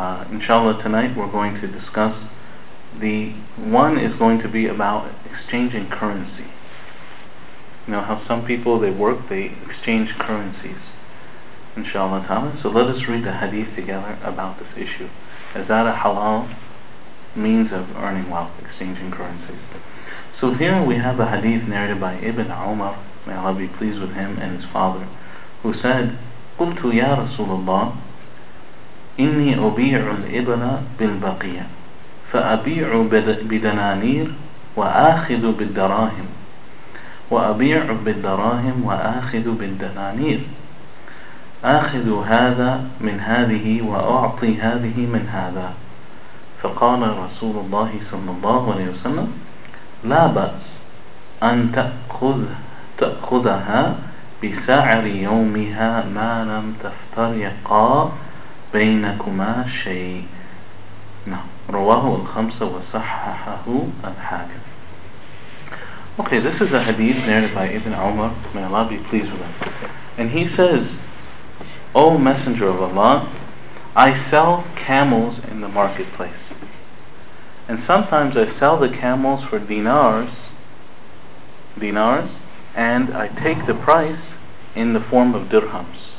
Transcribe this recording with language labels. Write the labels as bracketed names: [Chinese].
[English] Inshallah, tonight we're going to discuss, the one is going to be about exchanging currency. You know how some people, they work, they exchange currencies. InshaAllah ta'ala. So let us read the hadith together about this issue. Is that a halal means of earning wealth, exchanging currencies? So here we have a hadith narrated by Ibn Umar, may Allah be pleased with him and his father, who said, [Arabic] قُلْتُ يَا رَسُولَ اللَّهِ إِنِّي أُبِيعُ الْإِبَلَ بِالْبَقِيَ فَأَبِيعُ بِدَنَانِيرُ وَآخِذُ بِالدَّرَاهِمُ وَأَبِيعُ بِالدَّرَاهِمُ وَآخِذُ بِالدَّنَانِيرُ آخذ هذا من هذه وأعطي هذه من هذا فقال رسول الله صلى الله عليه وسلم لا بأس أن تأخذها بسعر يومها ما لم تفترقا بينكما شيء رواه الخمسة وصححه الحاكم. [English] Okay, this is a hadith narrated by Ibn Umar, may Allah be pleased with him. And he says, O Messenger of Allah, I sell camels in the marketplace. And sometimes I sell the camels for dinars, and I take the price in the form of dirhams.